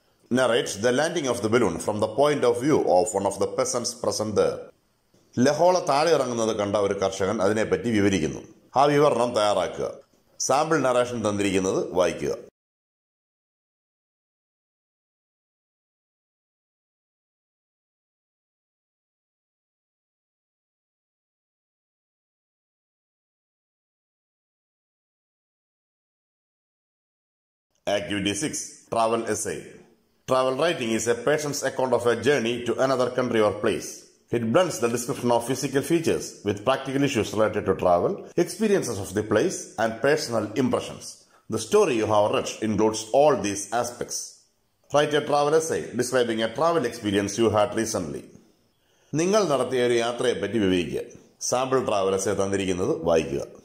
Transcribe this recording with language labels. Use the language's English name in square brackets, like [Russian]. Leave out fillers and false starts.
[English] Narrates the landing of the balloon from the point of view of one of the peasants present there. [Malayalam] ലഹോള താഴെ ഇറങ്ങുന്നത് കണ്ട ഒരു കർഷകൻ അതിനെപ്പറ്റി വിവരിക്കുന്നു. ആ വിവരണം തയ്യാറാക്കുക. സാമ്പിൾ നറേഷൻ തന്നിരിക്കുന്നത് വായിക്കുക. [English] Activity 6, travel essay. Travel writing is a patient's account of a journey to another country or place. It blends the description of physical features with practical issues related to travel, experiences of the place, and personal impressions. The story you have read includes all these aspects. Write a travel essay describing a travel experience you had recently. [Malayalam] നിങ്ങൾ നടത്തിയ ഒരു യാത്രയെ പറ്റി വിവരിക്കുക. Sample travel essay തന്നിരിക്കുന്നത് വായിക്കുക.